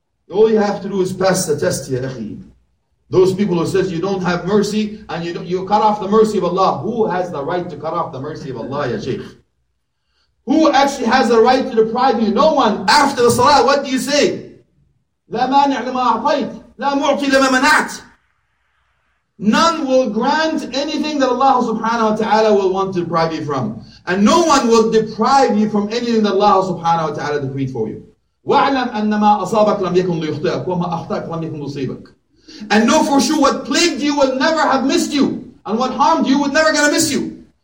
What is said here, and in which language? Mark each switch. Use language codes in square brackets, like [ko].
[en] All you have to do is pass the test, ya akhi. Those people who says you don't have mercy and you cut off the mercy of Allah. Who has the right to cut off the mercy of Allah, ya Shaykh? Who actually has the right to deprive you? No one. After the salah, what do you say? [ar] لا مانع لما أعطيت لا معطي لما منعت. [en] None will grant anything that Allah subhanahu wa ta'ala will want to deprive you from. And no one will deprive you from anything that Allah subhanahu wa ta'ala decreed for you. [ar] وَاعْلَمْ أَنَّ مَا أَصَابَكَ لَمْ يَكُنْ لِيُخْطِئَكَ وَمَا أَخْطَأَكَ لَمْ يَكُنْ لِيُصِيبَكَ. [en] And know for sure what plagued you will never have missed you. And what harmed you was never going to miss you.